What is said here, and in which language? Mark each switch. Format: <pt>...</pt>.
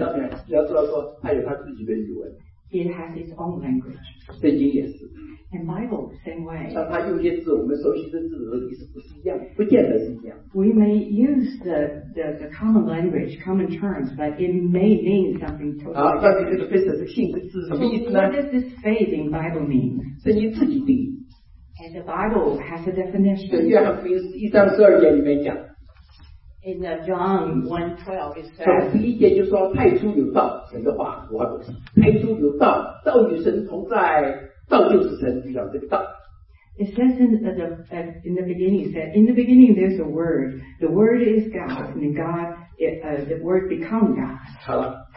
<zh>当然，你如果知道一些，它这里边有一些question是有帮助，就是基本上面，你要知道说它有它自己的语文。</zh> <en>It has its own language.</en> <zh>圣经也是。</zh> <en>And Bible same way.</en> <zh>但它有些字我们熟悉的字是不是一样？不见得是一样。</zh> <en>We may use the common language, common terms, but it may mean something totally different.</en> <zh>好，到底这个business信是什么意思呢？</zh> <en>What does this faith in Bible mean?</en> <zh>是你自己定义。</zh> <en>And the Bible has a definition.</en> <zh>在约翰福音一章十二节里面讲。</zh> <en>In John 1:12 it says.</en> <zh>第一节就说太初有道，神的话活着。太初有道，道与神同在，道就是神，遇到这个道。</zh> <en>It says in the beginning, it said, in the beginning there's a word. The word is God, and God, the word become God.</en>